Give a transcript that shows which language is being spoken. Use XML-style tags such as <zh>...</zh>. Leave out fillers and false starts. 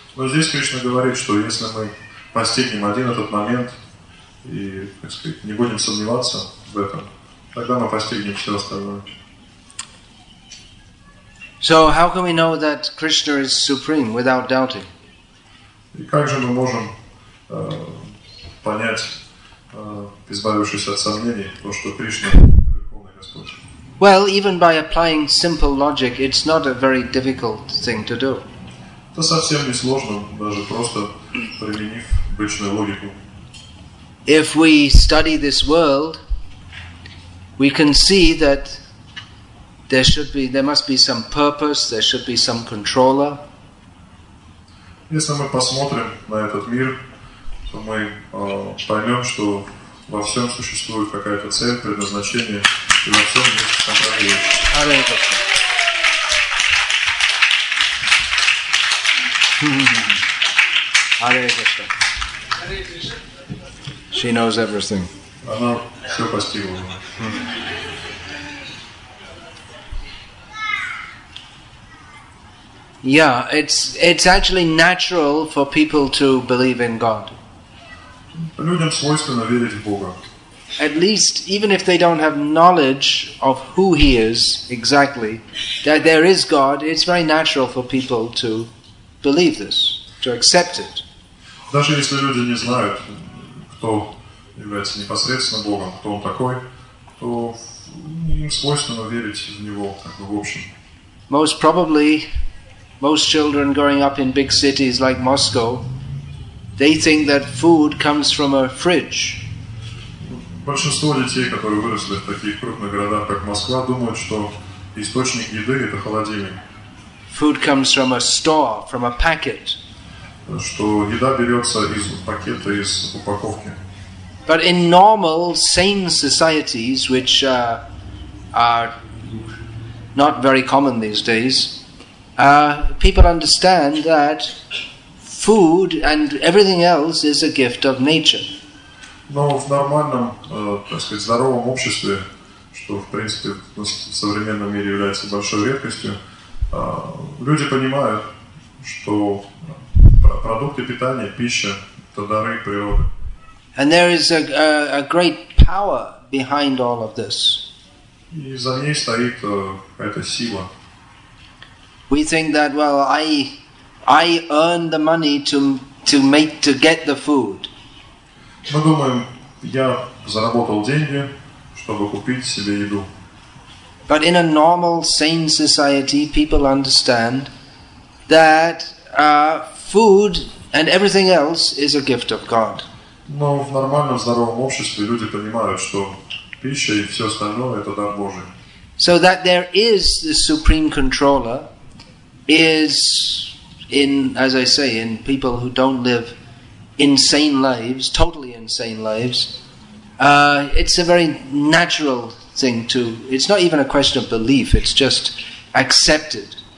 <ru>Но здесь Кришна говорит, что если мы постигнем один этот момент и, так сказать, не будем сомневаться в этом, тогда мы постигнем все остальное.</ru> <en>So how can we know that Krishna is supreme without doubting?</en> <ru>И как же мы можем понять, избавившись от сомнений, то, что Кришна Верховный Господь?</ru> <en>Well, even by applying simple logic, it's not a very difficult thing to do.</en> <ru>Это совсем не сложно, даже просто применив обычную логику.</ru> <en>If we study this world, we can see that there must be some purpose, there should be some controller.</en> <ru>Если мы посмотрим на этот мир, то мы поймем, что во всем существует какая-то цель, предназначение, и во всем есть контролирующий.</ru> <en>Hare Krishna. She knows everything.</en> <ru>Она все постигла.</ru> <en>Yeah, it's actually natural for people to believe in God.</en> <ru>Людям свойственно верить в Бога.</ru> <en>At least, even if they don't have knowledge of who He is exactly, that there is God, it's very natural for people to believe this, to accept it.</en> <ru>Даже если люди не знают, кто является непосредственно Богом, кто Он такой, то им свойственно верить в Него, как бы в общем.</ru> <en>Most probably, most children growing up in big cities like Moscow, they think that food comes from a fridge.</en> <ru>Большинство детей, которые выросли в таких крупных городах, как Москва, думают, что источник еды – это холодильник.</ru> <en>Food comes from a store, from a packet.</en> <ru>Что еда берется из пакета, из упаковки.</ru> <en>But in normal, sane societies, which are not very common these days, people understand that food and everything else is a gift of nature.</en> <ru>Но в нормальном, так сказать, здоровом обществе, что в принципе в современном мире является большой редкостью, люди понимают, что продукты питания, пища – это дары природы.</ru> <en>And there is a great power behind all of this.</en> <ru>И за ней стоит эта сила.</ru> <en>We think that, well, I earn the money to get the food.</en> <ru>Мы думаем, я заработал деньги, чтобы купить себе еду.</ru> <en>But in a normal, sane society, people understand that food and everything else is a gift of God.</en> <ru>Но в нормальном, здоровом обществе люди понимают, что пища и все остальное – это дар Божий.</ru> <en>So that there is the supreme controller is in, as I say, in people who don't live insane lives, totally insane lives, it's a very natural thing to, it's not even a question of belief, it's just accepted.</en>